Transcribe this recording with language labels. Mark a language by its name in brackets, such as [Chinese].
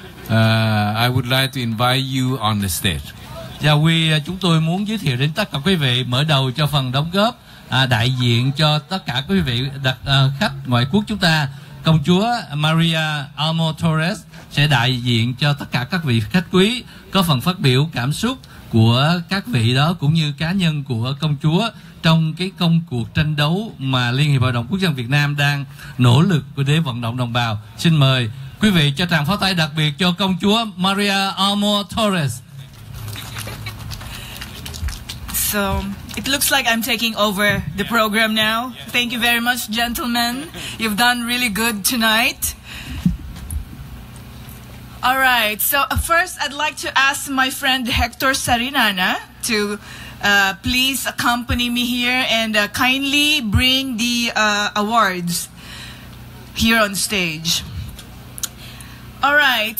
[English] I would like to invite you on the stage. [Vietnamese] Dạ quý, chúng tôi muốn giới thiệu đến tất cả quý vị mở đầu cho phần đóng góp đại diện cho tất cả quý vị đặc khách ngoại quốc chúng ta. Công chúa Maria Almo Torres sẽ đại diện cho tất cả các vị khách quý có phần phát biểu cảm xúc của các vị đó cũng như cá nhân của công chúa trong cái công cuộc tranh đấu mà Liên hiệp Hội đồng Quốc dân Việt Nam đang nỗ lực để vận động đồng bào. Xin mời quý vị cho tràng pháo tay đặc biệt cho công chúa Maria Almo Torres. [English] So it looks like I'm taking over the program now. Thank you very much, gentlemen. You've done really good tonight. All right. So first, I'd like to ask my friend Hector Sarinana to please accompany me here and kindly bring the awards here on stage. All right.